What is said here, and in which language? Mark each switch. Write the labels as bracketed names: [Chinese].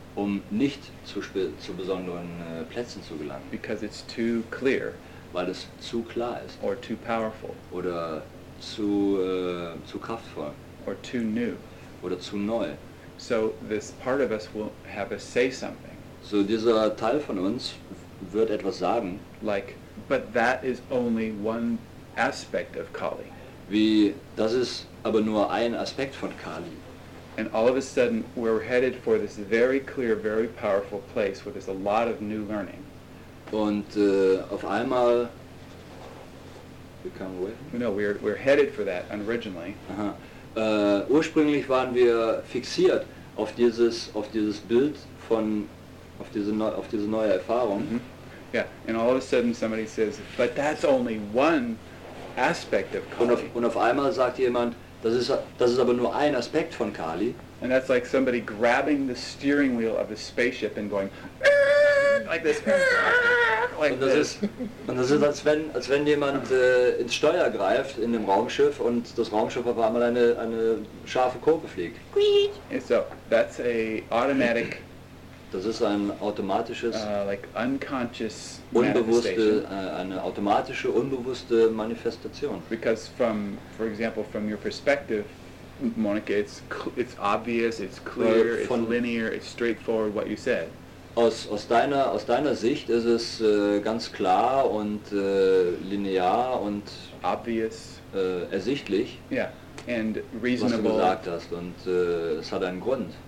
[German] um nicht zu besonderen Plätzen zu gelangen, [English] because it's too clear, [German] weil es zu klar ist, [English] or too powerful, [German] oder zu kraftvoll, [English] or too new, [German] oder zu neu. [English] So this part of us will have a say something. [German] So dieser Teil von uns wird etwas sagen. [English] Like, but that is only one aspect of Kali. [German] Wie, das ist aber nur ein Aspekt von Kali. [English] And all of a sudden we're headed for this very clear, very powerful place where there's a lot of new learning. [German] Und auf einmal, [English] we come away from it? No, we're headed for that originally. [German] Ursprünglich waren wir fixiert auf dieses Bild von auf diese neue Erfahrung. Mm-hmm. [English] Yeah, and all of a sudden somebody says, but that's only one aspect of Kali. [German] Und auf einmal sagt jemand, das ist aber nur ein Aspekt von Kali. [English] And that's like somebody grabbing the steering wheel of a spaceship and going like this. [German] Und das ist als wenn jemand ins Steuer greift in dem Raumschiff und das Raumschiff auf einmal eine scharfe Kurve fliegt. [English] So that's a automatic. [German] Das ist ein automatisches, [English] like unconscious, [German] unbewusste, eine automatische, unbewusste Manifestation. [English] Because from, for example, from your perspective, Monica, it's obvious, it's clear, von, it's linear, it's straightforward, what you said. [German] Aus deiner Sicht ist es ganz klar und linear und [English] obvious, [German] ersichtlich. [English] Yeah, and reasonable. [German] Was du gesagt hast und es hat einen Grund.